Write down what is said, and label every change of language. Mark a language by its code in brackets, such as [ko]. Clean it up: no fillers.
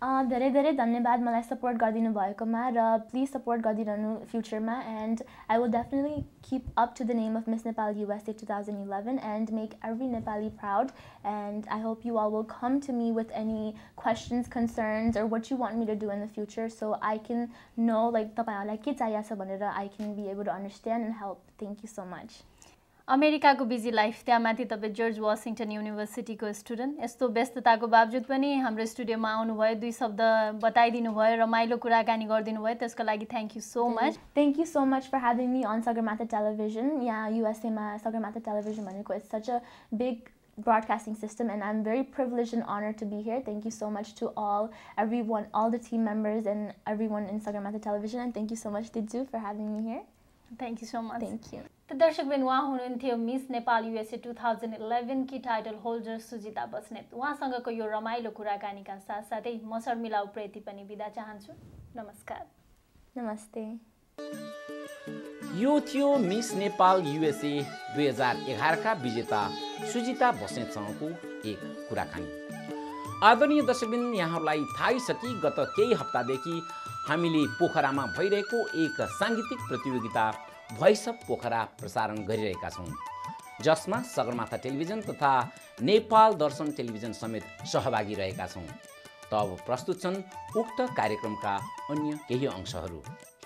[ne] धेरै धेरै धन्यवाद मलाई सपोर्ट गरिदिनु भएकोमा र प्लिज सपोर्ट गरिदिनु फ्युचरमा [en] and I will definitely keep up to the name of Miss Nepal USA 2011 and make every Nepali proud and I hope you all will come to me with any questions concerns or what you want me to do in the future so I can know like [ne] तपाईँहरूलाई के चाहिएको छ भनेर [en] I can be able to understand and help thank you so much [ne] अमेरिकाको busy life त्यहाँमाथि तपाईँ George Washington युनिभर्सिटीको student यस्तो व्यस्तताको बावजुद पनि हाम्रो स्टुडियोमा आउनुभयो दुई शब्द बताइदिनु भयो रमाइलो कुराकानी गरिदिनु भयो त्यसको लागि thank you so much [en] thank you so much for having me on Sagarmatha television [ne] यहाँ युएसएमा सगरमाथा टेलिभिजन भनेको [en] it's such a big broadcasting system and I'm very privileged and honored to be here thank you so much to everyone all the team members and everyone in Sagarmatha television and thank you so much Didju for having me here thank you so much thank you [ne] त दर्शकबिन उहाँ हुनुहुन्थ्यो miss Nepal USA 2011 की title holder Sujita Basnet उहाँसँगको यो रमाइलो कुराकानीका साथसाथै म शर्मिला उप्रेती पनि बिदा चाहन्छु नमस्कार नमस्ते यो थियो मिस नेपाल युएसए 2011 विजेता सुजिता बस्नेतसँगको एक कुराकानी आदरणीय दर्शकबिन यहाँहरूलाई थाहै छ कि गत केही हप्तादेखि हामीले पोखरामा भइरहेको एक साङ्गीतिक प्रतियोगिता भोइस अफ पोखरा प्रसारण गरिरहेका छौँ जसमा सगरमाथा टेलिभिजन तथा नेपाल दर्शन टेलिभिजन समेत सहभागी रहेका छौँ त अब प्रस्तुत छन् उक्त कार्यक्रमका अन्य केही अंशहरू